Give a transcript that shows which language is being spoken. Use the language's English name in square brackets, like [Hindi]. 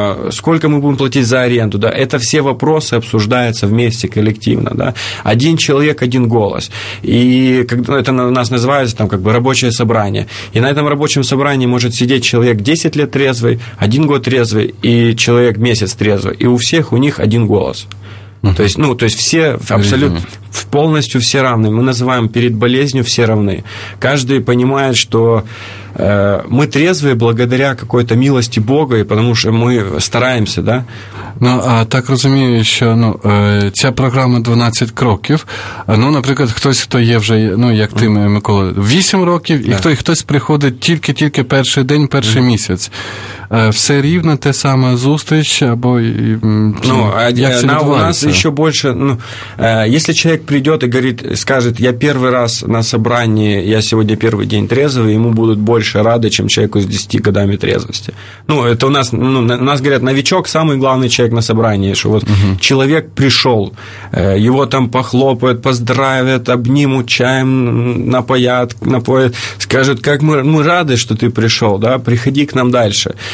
[Russian] сколько мы будем платить за аренду, да, это все вопросы обсуждаются вместе коллективно, да, один человек, один голос, и это у нас называется там как бы рабочее собрание, и на этом рабочем собрании может сидеть человек 10 лет трезвый, один год трезвый и человек месяц трезвый, и у всех у них один голос. Uh-huh. То есть, ну, то есть все абсолютно полностью все равны. Мы называем перед болезнью все равны. Каждый понимает, что мы трезвые благодаря какой-то милости Бога, и потому что мы стараемся, да? [Ukrainian] Ну, а так розумію, що ця програма 12 кроків. Ну, наприклад, хтось, хто є вже, ну, як ти, Микола, 8 років, і хтось приходить тільки-тільки перший день, перший місяць. Все рівно, те саме зустріч, або ну, як це відбувається? Ну, у нас ще більше, ну, якщо чоловік прийде і говорить, скаже, я перший раз на собранні, я сьогодні перший день трезвий, йому будуть більше ради, ніж чоловіку з 10 годами трезвості. Ну, це у нас, ну, у нас говорять, [Russian] новичок, найголовніший человек на собрании, что вот человек пришел, его там похлопают, поздравят, обнимут, чаем напоят, скажут, как мы рады, что ты пришел, да, приходи к нам дальше.